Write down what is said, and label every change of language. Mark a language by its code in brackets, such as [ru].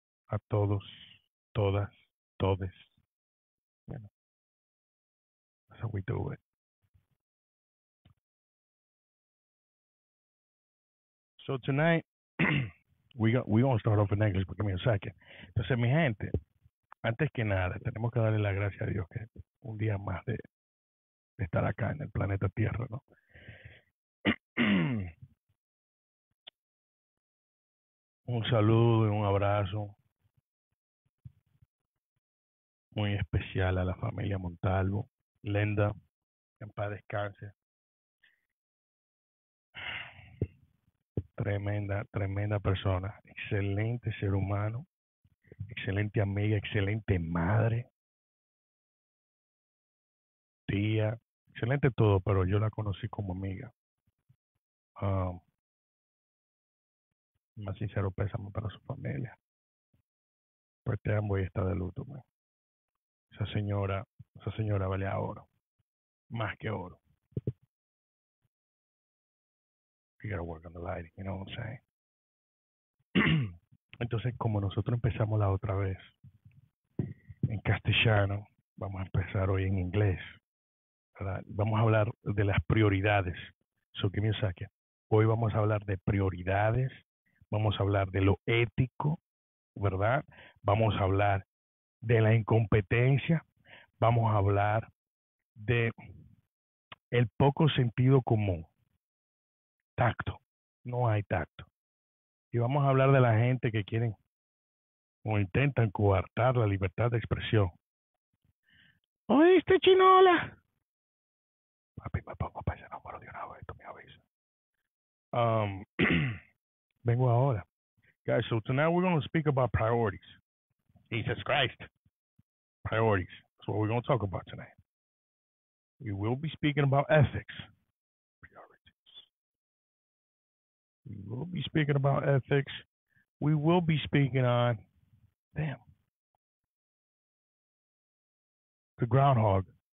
[es] A todos, todas, todes. [en] You know, that's how we do it. So tonight, we're going to start off in English, but give me a second. [es] Entonces, mi gente. Antes que nada, tenemos que darle la gracia a Dios que un día más de estar acá en el planeta Tierra, ¿no? Un saludo y un abrazo muy especial a la familia Montalvo, Lenda, en paz descanse. Tremenda, tremenda persona, excelente ser humano. Excelente amiga, excelente madre, tía, excelente todo, pero yo la conocí como amiga. Más sincero pésame para su familia. Pues te amo y está de luto, man. Esa señora vale a oro, más que oro. [en] You gotta work on the lighting, you know what I'm saying? [es] Entonces, como nosotros empezamos la otra vez en castellano, vamos a empezar hoy en inglés. Vamos a hablar de las prioridades. [en] So, give me a second. [es] Hoy vamos a hablar de prioridades. Vamos a hablar de lo ético, ¿verdad? Vamos a hablar de la incompetencia. Vamos a hablar de el poco sentido común. Tacto. No hay tacto. Y vamos a hablar de la gente que quieren o intentan coartar la libertad de expresión. ¿Oíste, chinola? Papi, me pongo para ese número de una vez, tú me avisas. vengo ahora. [en] Guys, so tonight we're going to speak about priorities. Jesus Christ. Priorities. That's what we're going to talk about tonight. We will be speaking about ethics. We will be speaking about ethics. We will be speaking on, the groundhog.